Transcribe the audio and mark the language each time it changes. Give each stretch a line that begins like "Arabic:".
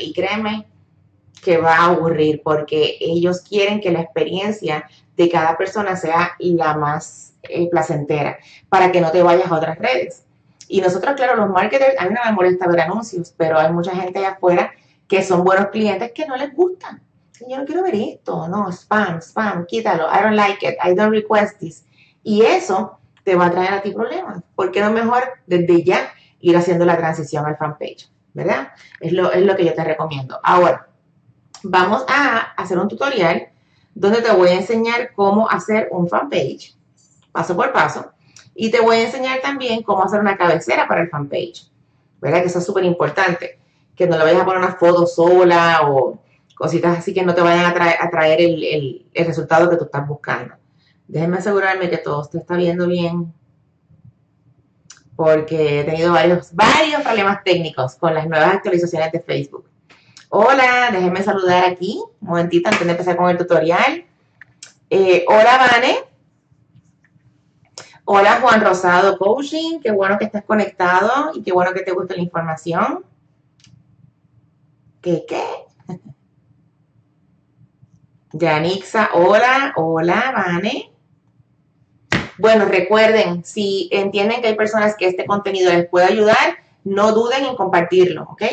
Spanish: Y créeme que va a aburrir, porque ellos quieren que la experiencia de cada persona sea la más placentera, para que no te vayas a otras redes. Y nosotros, claro, los marketers, a mí no me molesta ver anuncios, pero hay mucha gente allá afuera que son buenos clientes que no les gustan. Yo no quiero ver esto, no, spam, quítalo,
English: I don't like it, I don't request this.
Spanish: Y eso te va a traer a ti problemas. ¿Por qué no mejor desde ya ir haciendo la transición al fanpage? ¿Verdad? Es lo que yo te recomiendo. Ahora, vamos a hacer un tutorial donde te voy a enseñar cómo hacer un fanpage, paso por paso. Y te voy a enseñar también cómo hacer una cabecera para el fanpage. ¿Verdad? Que eso es súper importante. Que no le vayas a poner una foto sola o cositas así que no te vayan a traer el resultado que tú estás buscando. Déjenme asegurarme que todo te está viendo bien, porque he tenido varios problemas técnicos con las nuevas actualizaciones de Facebook. Hola, déjenme saludar aquí un momentito antes de empezar con el tutorial. Hola, Vane. Hola, Juan Rosado Coaching. Qué bueno que estás conectado y qué bueno que te gusta la información. ¿Qué? Yanixa, hola, Vane. Bueno, recuerden, si entienden que hay personas que este contenido les puede ayudar, no duden en compartirlo, ¿ok?